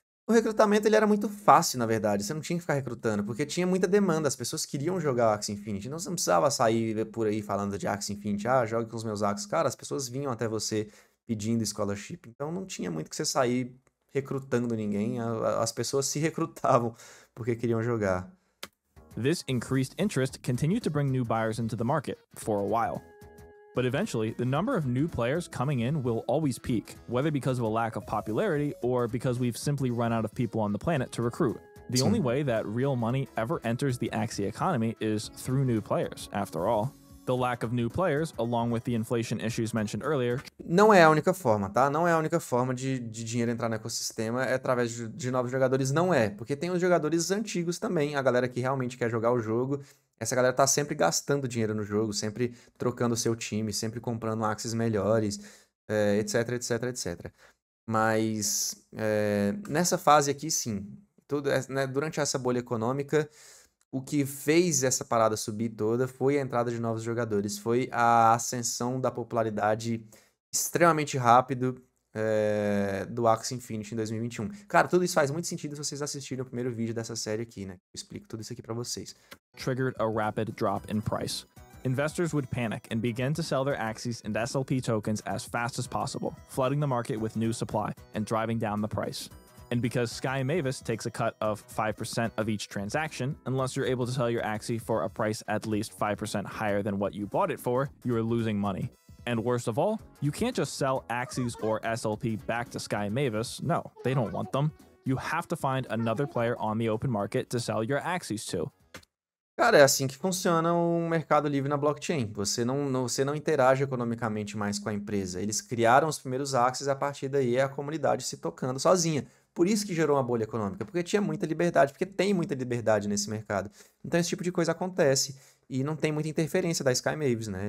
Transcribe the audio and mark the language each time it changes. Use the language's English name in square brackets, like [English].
[Portuguese] O recrutamento ele era muito fácil, na verdade. Você não tinha que ficar recrutando, porque tinha muita demanda. As pessoas queriam jogar Axie Infinity. Então você não precisava sair por aí falando de Axie Infinity. Ah, jogue com os meus Axies. Cara, as pessoas vinham até você pedindo scholarship. Então não tinha muito que você sair recrutando ninguém. As pessoas se recrutavam porque queriam jogar. [English] This increased interest continued to bring new buyers into the market for a while. But eventually, the number of new players coming in will always peak, whether because of a lack of popularity or because we've simply run out of people on the planet to recruit. The only way that real money ever enters the Axie economy is through new players, after all. The lack of new players, along with the inflation issues mentioned earlier... [Portuguese] Não é a única forma, tá? Não é a única forma de dinheiro entrar no ecossistema, é através de novos jogadores, não é. Porque tem os jogadores antigos também, a galera que realmente quer jogar o jogo. Essa galera tá sempre gastando dinheiro no jogo, sempre trocando seu time, sempre comprando Axies melhores, etc, etc, etc. Mas nessa fase aqui, sim. Tudo, né, durante essa bolha econômica, o que fez essa parada subir toda foi a entrada de novos jogadores. Foi a ascensão da popularidade extremamente rápido do Axie Infinity em 2021. Cara, tudo isso faz muito sentido se vocês assistirem o primeiro vídeo dessa série aqui, né? Eu explico tudo isso aqui pra vocês. [English] Triggered a rapid drop in price. Investors would panic and begin to sell their Axies and SLP tokens as fast as possible, flooding the market with new supply and driving down the price. And because Sky Mavis takes a cut of 5% of each transaction, unless you're able to sell your Axie for a price at least 5% higher than what you bought it for, you are losing money. And worst of all, you can't just sell Axies or SLP back to Sky Mavis. No, they don't want them. You have to find another player on the open market to sell your Axies to. [Portuguese] Cara, é assim que funciona o mercado livre na blockchain. Você não interage economicamente mais com a empresa. Eles criaram os primeiros Axies e a partir daí é a comunidade se tocando sozinha. Por isso que gerou uma bolha econômica, porque tinha muita liberdade, porque tem muita liberdade nesse mercado. Então esse tipo de coisa acontece e não tem muita interferência da Sky Mavis, né?